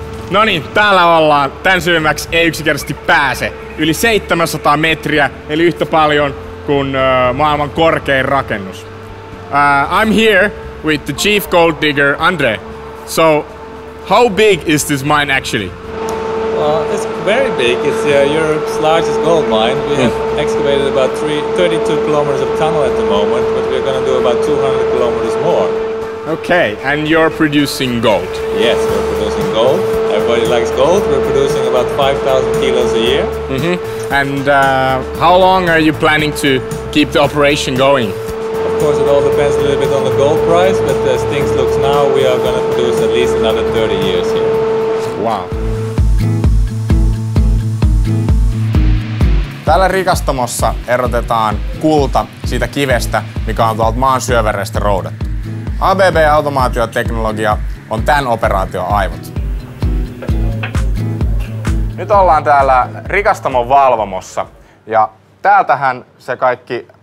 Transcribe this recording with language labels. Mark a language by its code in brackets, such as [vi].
[fi] No niin, täällä ollaan. Tän syvemmäksi ei yksinkertaisesti pääse. Yli 700 metriä, eli yhtä paljon kuin maailman korkein rakennus. [en] I'm here with the chief gold digger Andre. So, how big is this mine actually? It's very big. It's Europe's largest gold mine. We have excavated about 32 kilometers of tunnel at the moment, but we're going to do about 200 kilometers more. Okay, and you're producing gold? Yes, we're producing gold. Everybody likes gold. We're producing about 5,000 kilos a year. Mm-hmm. And how long are you planning to keep the operation going? Of course, it all depends a little bit on the gold price, but as things look now, we are going to produce at least another 30 years here. Wow. [fi] Täällä rikastamossa erotetaan kulta siitä kivestä, mikä on tuolta maan syövereistä roudattu. ABB automaatioteknologia on tämän operaation aivot. Nyt ollaan täällä rikastamon valvomossa ja täältähän se kaikki